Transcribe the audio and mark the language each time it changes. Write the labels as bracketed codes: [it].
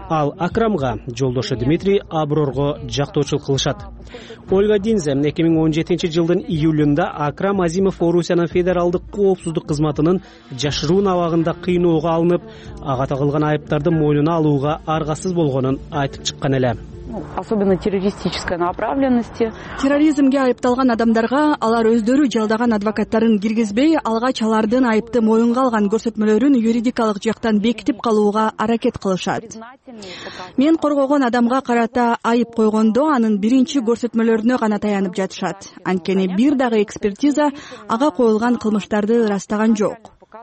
[ky] Ал Акрамга, жолдошу Дмитрий Аброрго жактоочулук кылышат. Ольга Динза 2017 жылдын июлунда Акрам Азимов Орусиянын Федералдык коопсуздук кызматынын жашыруун абагында кыйноого алынып, ага тагылган айыптарды мойнуна алууга аргасыз болгонун айтып чыккан эле. [ru] Особенно террористической направленности. [ky] Терроризмге айыпталган адамдарга алар өздөрү жалдаган адвокаттарын киргизбей, алгач алардын айыпты моюнга алган көрсөтмөлөрүн юридикалык жактан бекитип калууга аракет кылышат. Мен коргогон адамга карата айып койгондо анын биринчи көрсөтмөлөрүнө гана таянып жатышат. Анткени бир дагы экспертиза ага коюлган кылмыштарды ырастаган жок.